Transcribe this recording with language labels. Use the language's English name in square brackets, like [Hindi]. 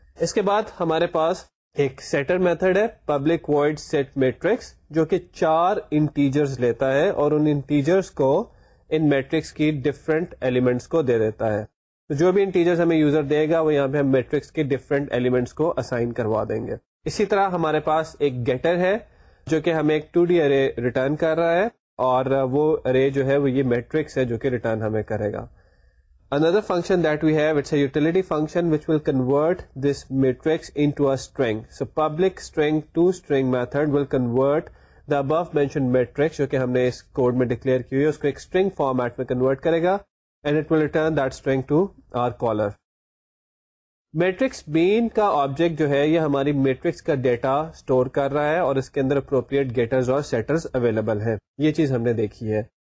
[Urdu] اس کے بعد ہمارے پاس ایک سیٹر میتھڈ ہے پبلک وائڈ سیٹ میٹرکس جو کہ 4 انٹیجرز لیتا ہے اور ان انٹیجرز کو ان میٹرکس کی ڈفرینٹ ایلیمنٹس کو دے دیتا ہے. تو جو بھی انٹیجرز ہمیں یوزر دے گا وہ یہاں پہ ہم میٹرکس کے ڈفرینٹ ایلیمنٹس کو اسائن کروا دیں گے. اسی طرح ہمارے پاس ایک گیٹر ہے جو کہ ہمیں ایک 2D ارے ریٹرن کر رہا ہے اور وہ ارے جو ہے وہ یہ میٹرکس ہے جو کہ ریٹرن ہمیں کرے گا. [English] Another function that we have, it's a utility function which will convert this matrix into a string. So public string to string method will convert the above mentioned matrix [Urdu] جو کہ ہم نے اس code میں declare کی ہوئی اس کو ایک string format میں کنورٹ کرے گا [English] And it will return that string to our caller. [Urdu] Matrix بین کا آبجیکٹ جو ہے یہ ہماری میٹرکس کا ڈیٹا اسٹور کر رہا ہے اور اس کے اندر اپروپریٹ گیٹرز اور سیٹرز اویلیبل ہیں, یہ چیز ہم نے دیکھی ہے.